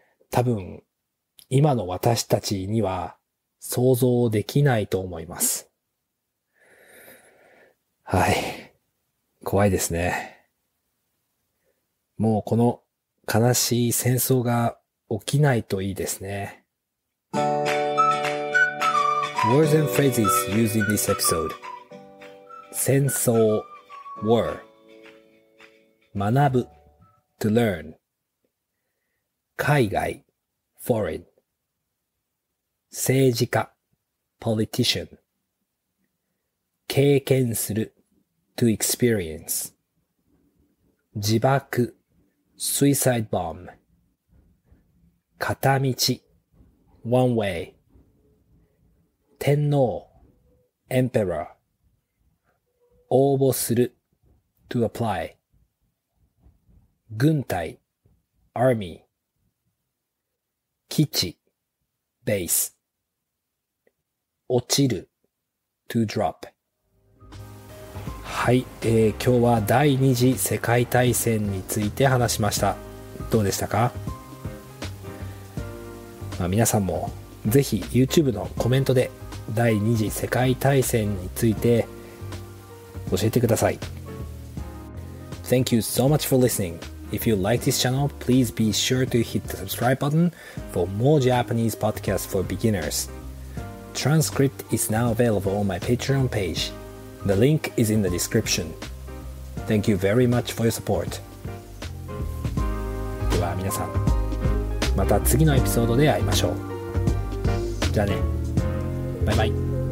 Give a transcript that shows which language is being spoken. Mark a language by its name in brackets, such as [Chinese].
[Japanese] 多分今の私たちには想像できないと思います。はい。怖いですね。もうこの悲しい戦争が起きないといいですね。 [English] Words and phrases used in this episode. 戦争 war 学ぶ to learn 海外 foreign政治家 politician 経験する to experience 自爆 suicide bomb 片道 one way 天皇 emperor 応募する to apply 軍隊 army 基地 base 落ちる to drop。 [Japanese] はい、今日は第二次世界大戦について話しました。どうでしたか？まあ、皆さんもぜひ YouTube のコメントで第二次世界大戦について教えてください。 [English] Thank you so much for listening. If you like this channel, please be sure to hit the subscribe button for more Japanese podcasts for beginners. Transcript is now available on my Patreon page. The link is in the description. Thank you very much for your support. [Japanese] では皆さん、また次のエピソードで会いましょう。じゃあね。バイバイ。